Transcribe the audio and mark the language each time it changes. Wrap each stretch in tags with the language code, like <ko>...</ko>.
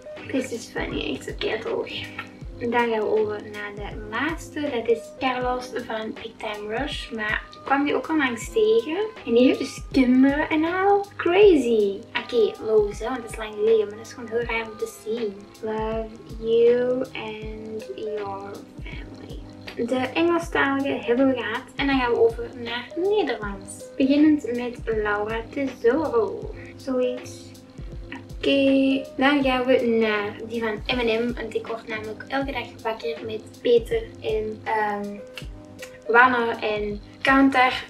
<en>This is funny,</en> <nl>echt zo kerdoog. Dan gaan we over naar de laatste. Dat is Carlos van Big Time Rush. Maar kwam die ook al langs tegen. En die heeft dus kinderen en al. Crazy. Oké, los, hè, want dat is lang geleden. Maar dat is gewoon heel raar om te zien.</nl> <en>Love you and your family.</en> <nl>De Engelstalige hebben we gehad. En dan gaan we over naar Nederlands. Beginnend met Laura Tesoro. Zoiets. Oké, dan gaan we naar die van M&M, want ik word namelijk elke dag wakker met Peter en Wanner en Counter.</nl>